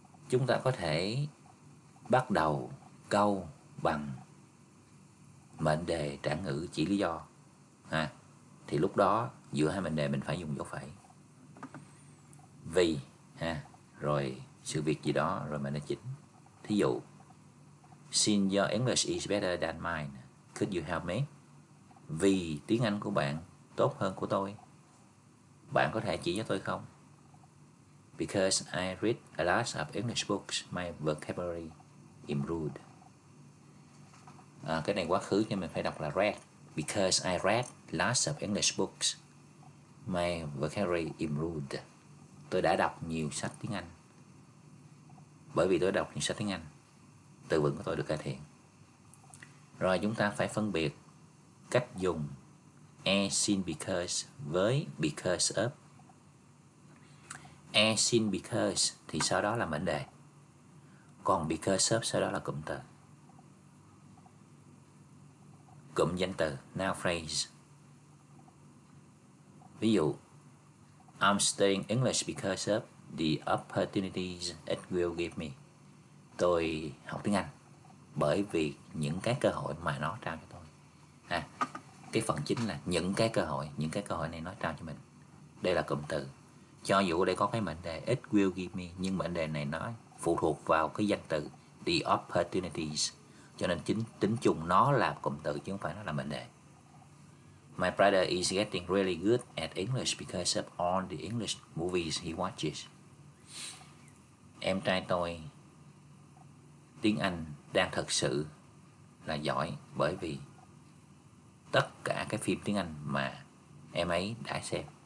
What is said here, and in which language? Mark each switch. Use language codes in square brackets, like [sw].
[vi] Chúng ta có thể bắt đầu câu bằng mệnh đề trạng ngữ chỉ lý do ha. Thì lúc đó giữa hai mệnh đề mình phải dùng dấu phẩy. Vì ha, rồi sự việc gì đó, rồi mệnh đề chính. Thí dụ: [en] Since your English is better than mine, could you help me? [vi] Vì tiếng Anh của bạn tốt hơn của tôi, bạn có thể chỉ cho tôi không? [en] Because I read a lot of English books, my vocabulary improved. [vi] À, cái này quá khứ cho mình phải đọc là read. [en] Because I read lots of English books, my vocabulary improved. [vi] Tôi đã đọc nhiều sách tiếng Anh. Bởi vì tôi đọc nhiều sách tiếng Anh, từ vựng của tôi được cải thiện. Rồi chúng ta phải phân biệt cách dùng as in because với because of. As in because thì sau đó là mệnh đề, còn because of sau đó là cụm từ, cụm danh từ, noun phrase. Ví dụ: [en] I'm studying English because of the opportunities it will give me. [vi] Tôi học tiếng Anh bởi vì những cái cơ hội mà nó trao cho tôi. À, cái phần chính là những cái cơ hội này nó trao cho mình. Đây là cụm từ. Cho dù đây có cái mệnh đề [en] it will give me, [vi] nhưng mệnh đề này nó phụ thuộc vào cái danh từ [en] the opportunities. [vi] Cho nên chính tính chung nó là cụm từ chứ không phải nó là mệnh đề. [en] My brother is getting really good at English because of all the English movies he watches. [vi] Em trai tôi tiếng Anh đang thật sự là giỏi bởi vì tất cả cái phim tiếng Anh mà em ấy đã xem.